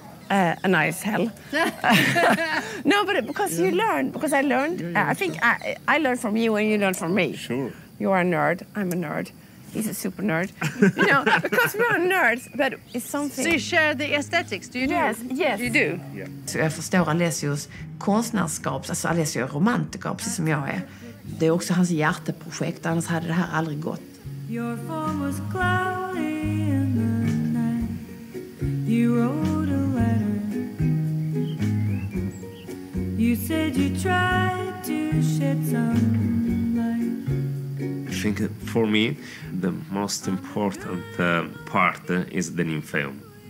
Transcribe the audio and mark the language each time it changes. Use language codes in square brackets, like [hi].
[en] a nice hell. No, but because you learn, because I learned, I think I learned from you and you learned from me. Sure. You are a nerd, I'm a nerd. He's a super nerd, you know, because we are nerds, but it's something. So you share the aesthetics, do you do? Yes, yes. You do? Yeah. [sv] Så jag förstår Alessios konstnärskap, alltså Alessio är romantiker, precis som jag är. Det är också hans hjärteprojekt, annars hade det här aldrig gått. [en] Your form was cloudy in the night. You wrote a letter. You said you tried to shed some. I think for me, the most important part is the nymphaeum.